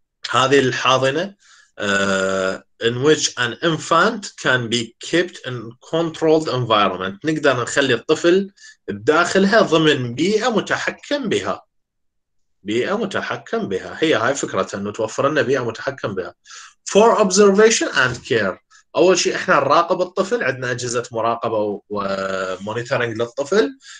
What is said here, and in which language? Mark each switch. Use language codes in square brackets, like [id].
[ar] هذه الحاضنة [en] in which an infant can be kept in controlled environment، [ar] نقدر نخلي الطفل بداخلها ضمن بيئة متحكم بها. بيئة متحكم بها. هي هاي فكرة أنه توفر لنا بيئة متحكم بها. [en] For observation and care. [ar] أول شيء إحنا نراقب الطفل، عندنا أجهزة مراقبة ومونيتورينج للطفل.